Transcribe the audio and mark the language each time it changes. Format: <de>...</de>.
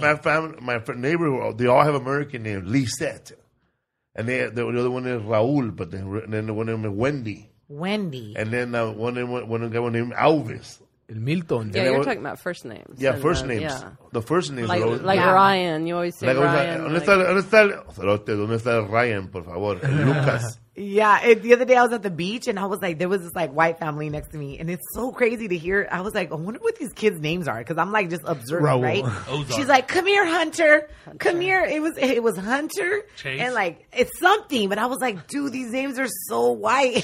<en>My family, my neighbor, they all have American names. Lisette. And the other one is Raul, but then the one is Wendy. Wendy. And then one guy named Alvis.</en> <es>El Milton.</es> <en>Yeah, you're talking about first names. Yeah, first names. Yeah. The first names. Ryan. You always say like, Ryan.</en> <es>¿Dónde está Ryan, por favor?</es> <en>Lucas. Yeah, the other day I was at the beach and I was like, there was this like white family next to me. And it's so crazy to hear. I was like, I wonder what these kids' names are. Because I'm like just observing, Raul. Right? Ozark. She's like, come here, Hunter. Come here. It was Hunter. Chase. And like, it's something. But I was like, dude, these names are so white.</en>